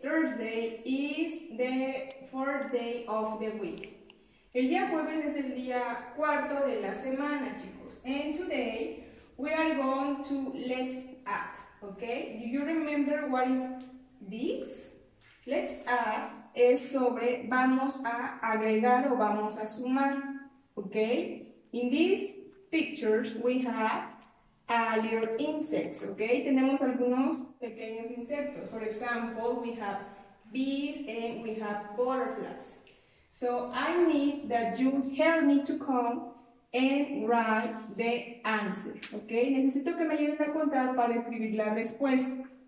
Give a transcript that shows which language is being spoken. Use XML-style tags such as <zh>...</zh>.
<en>Thursday is the fourth day of the week.</en> <es>El día jueves es el día cuarto de la semana, chicos.</es> <en>And today we are going to let's add, okay? Do you remember what is this? Let's add</en> <es>es sobre vamos a agregar o vamos a sumar, okay?</es> <en>In this pictures we have a little insects, okay?</en> <es>Tenemos algunos pequeños insectos.</es> <en>For example, we have bees and we have butterflies. So I need that you help me to come and write the answer, okay?</en> <es>Necesito que me ayuden a contar para escribir la respuesta.</es>